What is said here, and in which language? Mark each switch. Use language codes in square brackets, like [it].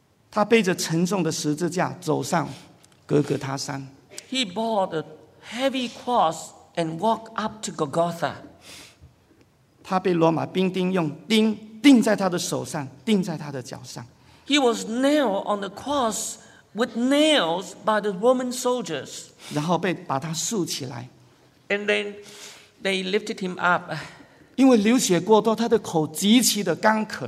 [zh] 他背着沉重的十字架走上哥哥他山。 [en] He bore the heavy cross and walked up to Golgotha. [zh] 他被罗马兵丁用钉钉在他的手上，钉在他的脚上。 [en] He was nailed on the cross with nails by the Roman soldiers. [zh] 然后把他竖起来。 [en] And then they lifted him up. [zh] 因为流血过多，他的口极其的干渴。